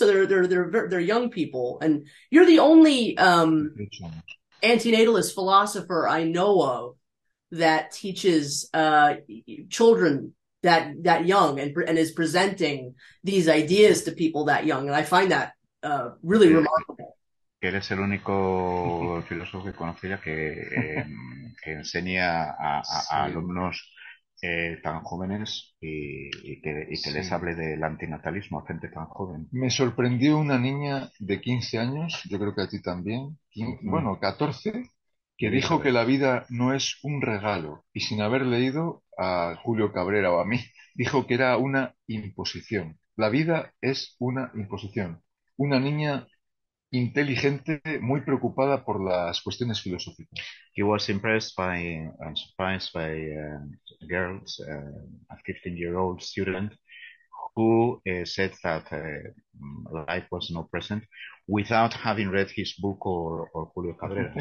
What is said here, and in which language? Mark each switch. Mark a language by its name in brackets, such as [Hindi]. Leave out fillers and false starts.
[English] So they're young people, and you're the only antinatalist philosopher I know of that teaches children that young and is presenting these ideas to people that young. And I find that really remarkable. [Spanish] Eres el único filósofo que conocí ya que enseña a alumnos tan jóvenes y que les hable del antinatalismo a gente tan joven. Me sorprendió una niña de 15 años, yo creo que a ti también, 15, bueno, 14, que dijo que la vida no es un regalo, y sin haber leído a Julio Cabrera o a mí, dijo que era una imposición. La vida es una imposición. Una niña inteligente, muy preocupada por las cuestiones filosóficas. [English] He was impressed by and surprised by girls, a 15-year-old student, who said that life was no present without having read his book or Julio Cabrera.